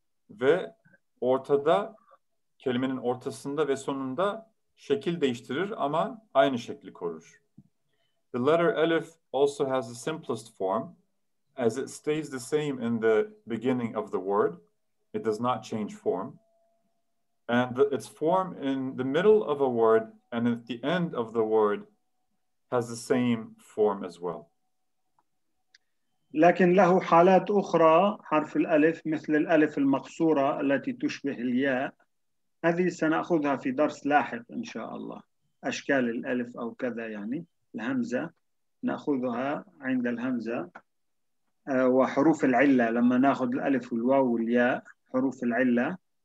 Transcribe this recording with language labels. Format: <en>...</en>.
<tr>Ve ortada, kelimenin ortasında ve sonunda şekil değiştirir ama aynı şekli korur.</tr> <en>The letter Elif also has the simplest form. As it stays the same in the beginning of the word, it does not change form. And its form in the middle of a word and at the end of the word has the same form as well.</en> <ar>لكن له حالات أخرى حرف الألف مثل الألف المقصورة التي تشبه الياء. هذه سنأخذها في درس لاحق إن شاء الله. أشكال الألف أو كذا يعني الهمزة نأخذها عند الهمزة وحروف العلة لما نأخذ الألف والواو والياء حروف العلة.</ar>